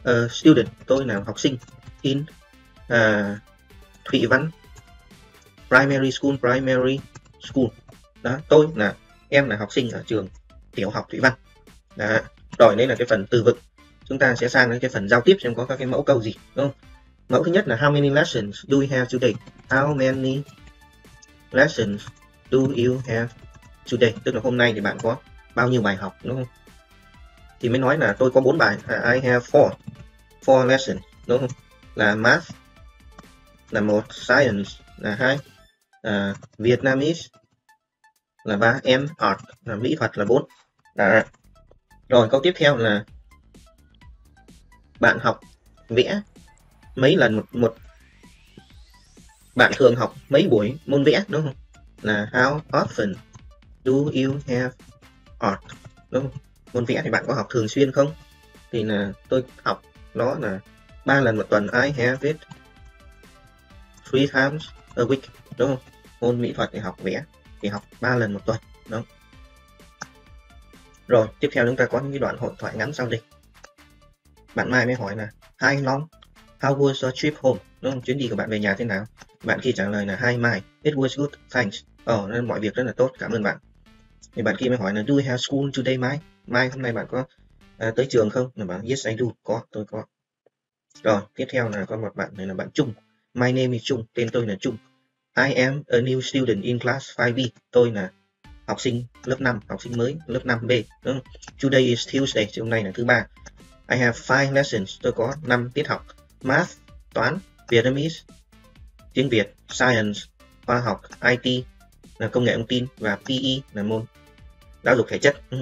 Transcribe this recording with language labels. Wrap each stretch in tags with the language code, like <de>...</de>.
<vi>Student, tôi là học sinh</vi> <en>in Thụy Văn Primary School,</en> <vi>đó, tôi là em là học sinh ở trường tiểu học Thụy Văn. Đó, rồi đây là cái phần từ vựng. Chúng ta sẽ sang đến cái phần giao tiếp xem có các cái mẫu câu gì, đúng không? Mẫu thứ nhất là</vi> <en>How many lessons do you have today? How many lessons do you have today?</en> <vi>Tức là hôm nay thì bạn có bao nhiêu bài học, đúng không? Thì mới nói là tôi có 4 bài,</vi> <en>I have four lessons,</en> <vi>đúng không? Là math là một, science là hai, Vietnamese là ba, em art là mỹ thuật là bốn. Đã. Rồi câu tiếp theo là bạn học vẽ mấy lần một một bạn thường học mấy buổi môn vẽ, đúng không?</vi> <en>Là how often do you have art,</en> <vi>đúng không? Môn vẽ thì bạn có học thường xuyên không? Thì là tôi học nó là 3 lần một tuần,</vi> <en>I have it 3 times a week,</en> <vi>đúng không? Môn mỹ thuật thì học vẽ thì học 3 lần một tuần, đúng không? Rồi, tiếp theo chúng ta có những cái đoạn hội thoại ngắn sau đây. Bạn Mai mới hỏi là</vi> <en>How long? How was your trip home?</en> <vi>Đúng không? Chuyến đi của bạn về nhà thế nào? Bạn khi trả lời là</vi> <en>Hi Mai, it was good, thanks.</en> <vi>Nên mọi việc rất là tốt, cảm ơn bạn. Thì bạn kia mới hỏi là</vi> <en>Do you have school today, Mai?</en> <vi>Mai hôm nay bạn có tới trường không? Bạn bảo</vi> <en>yes I do,</en> <vi>có, tôi có. Rồi, tiếp theo là có một bạn này là bạn Trung.</vi> <en>My name is Trung,</en> <vi>tên tôi là Trung.</vi> <en>I am a new student in class 5B.</en> <vi>Tôi là học sinh lớp 5, học sinh mới lớp 5B, đúng không?</vi> <en>Today is Tuesday,</en> <vi>thì hôm nay là thứ ba.</vi> <en>I have 5 lessons,</en> <vi>tôi có 5 tiết học. Math, toán, Vietnamese, tiếng Việt, science, khoa học, IT là công nghệ thông tin và PE là môn giáo dục thể chất.</vi>